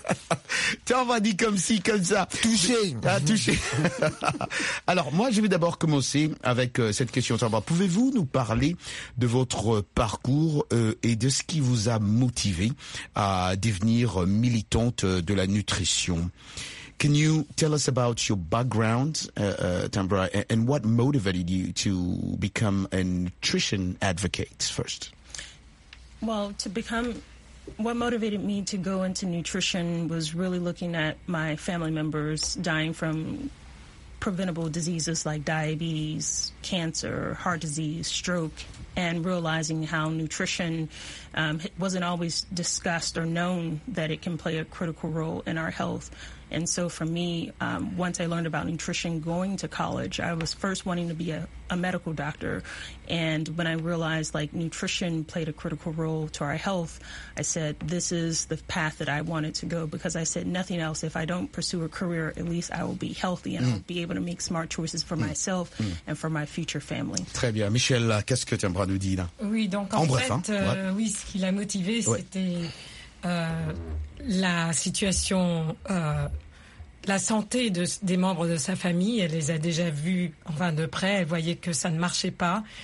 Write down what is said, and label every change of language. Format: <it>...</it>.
<fr>Ah! Tiens, on va dire comme ça. Touché. Alors, moi, je vais d'abord commencer avec cette question. Pouvez-vous nous parler de votre parcours et de ce qui vous a motivé à devenir militante de la nutrition?</fr> <en>Can you tell us about your background, Timbra, and what motivated you to become a nutrition advocate first? Well, what motivated me to go into nutrition was really looking at my family members dying from preventable diseases like diabetes, cancer, heart disease, stroke, and realizing how nutrition wasn't always discussed or known that it can play a critical role in our health. And so for me, once I learned about nutrition going to college, I was first wanting to be a medical doctor. And when I realized like nutrition played a critical role to our health, I said, this is the path that I wanted to go, because I said nothing else. If I don't pursue a career, at least I will be healthy and I'll be able to make smart choices for myself and for my future family.</en> <fr>Très bien. Michel, qu'est-ce que tu aimerais nous dire là? Oui, donc en fait, ce qui l'a motivé, c'était... la situation, la santé des membres de sa famille, elle les a déjà vus enfin de près, elle voyait que ça ne marchait pas.</fr>